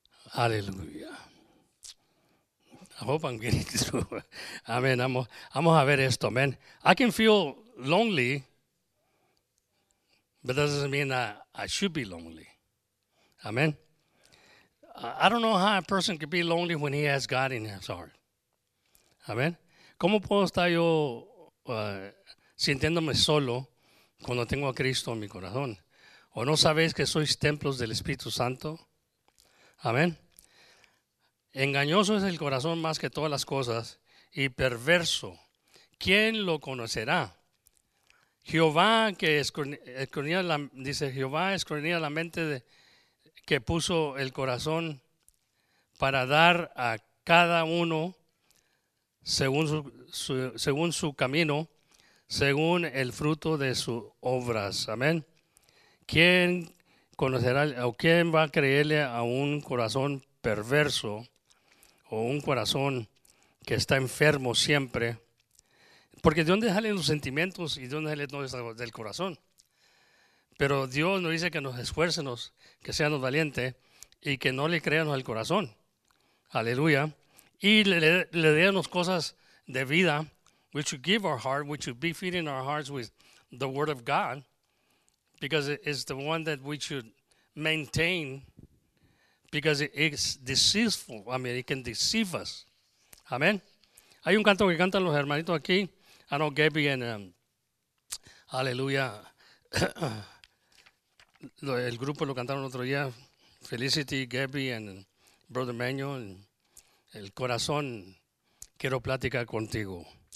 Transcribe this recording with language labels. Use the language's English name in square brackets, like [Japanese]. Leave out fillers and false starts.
[English] Hallelujah. I hope I'm getting through. Amen. [Spanish] Vamos a ver esto, man. [English] I can feel lonely, but that doesn't mean I should be lonely. Amen. I don't know how a person can be lonely when he has God in his heart. Amen. [Spanish] ¿Cómo puedo estar yo sintiéndome solo cuando tengo a Cristo en mi corazón? ¿O no sabéis que sois templos del Espíritu Santo? Amén. Engañoso es el corazón más que todas las cosas, y perverso. ¿Quién lo conocerá? Jehová que escudriña la, dice, Jehová escudriña la mente de, que puso el corazón, para dar a cada uno según su camino, según el fruto de sus obras. Amén. ¿Quién conocerá o quién va a creerle a un corazón perverso o un corazón que está enfermo siempre? Porque ¿de dónde salen los sentimientos y de dónde salen todo esto del corazón? Pero Dios nos dice que nos esfuércemos, que seamos valientes y que no le creamos al corazón. Aleluya. Y le demos cosas de vida. [English] We should give our heart, we should be feeding our hearts with the word of God, because it's the one that we should maintain, because it's deceitful. I mean, it can deceive us. Amen. [Spanish] Hay un canto que cantan los hermanitos aquí. [English] I know Gabby and Aleluya. [Spanish] El grupo lo cantaron otro día. Felicity, Gabby and Brother Manuel. El corazón, quiero plática contigo.